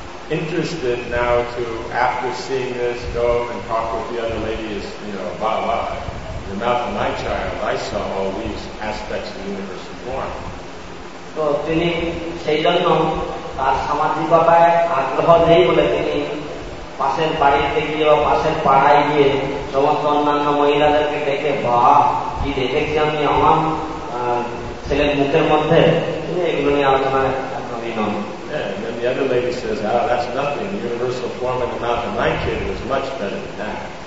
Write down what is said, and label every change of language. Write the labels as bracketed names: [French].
[English] interested now to, after seeing this, go and talk with the other ladies, you know, blah, blah. In the mouth of my child, I saw all these aspects of the universe of form. [Bangla] So, তিনি সেই জন্য তার সামাজিক ব্যাপারে আগ্রহ নেই বলে তিনি পাশের বাড়িতে গিয়ে বা পাশের পাড়ায় গিয়ে সমস্ত অন্যান্য মহিলাদেরকে দেখে বা কি দেখেছি আমি আমার ছেলের মুখের মধ্যে তিনি এগুলো নিয়ে আলোচনায় আগ্রহী নন. [English] Yeah, and then the other lady says, oh, that's nothing. The universal form in the mouth of my kid was much better than that.